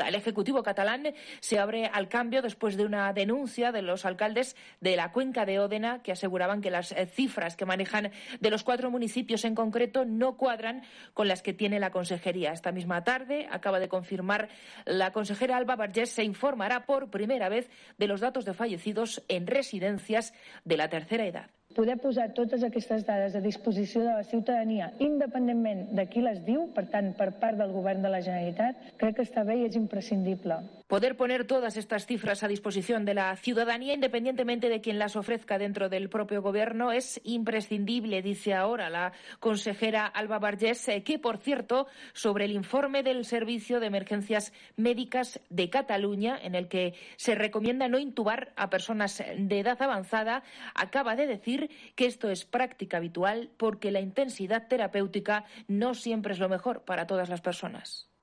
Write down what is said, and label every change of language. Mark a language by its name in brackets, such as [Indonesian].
[Spanish] El Ejecutivo catalán se abre al cambio después de una denuncia de los alcaldes de la cuenca de Ódena, que aseguraban que las cifras que manejan de los cuatro municipios en concreto no cuadran con las que tiene la consejería. Esta misma tarde acaba de confirmar la consejera Alba Vergés, se informará por primera vez de los datos de fallecidos en residencias de la tercera edad. [Catalan] Poder posar totes aquestes dades a disposició de la ciutadania, independentment de qui les diu, per tant, per part del govern de la Generalitat, crec que està bé i és imprescindible. [Spanish] Poder poner todas estas cifras a disposición de la ciudadanía, independientemente de quien las ofrezca dentro del propio gobierno, es imprescindible, dice ahora la consejera Alba Vergés, que, por cierto, sobre el informe del Servicio de Emergencias Médicas de Cataluña, en el que se recomienda no intubar a personas de edad avanzada, acaba de decir que esto es práctica habitual porque la intensidad terapéutica no siempre es lo mejor para todas las personas.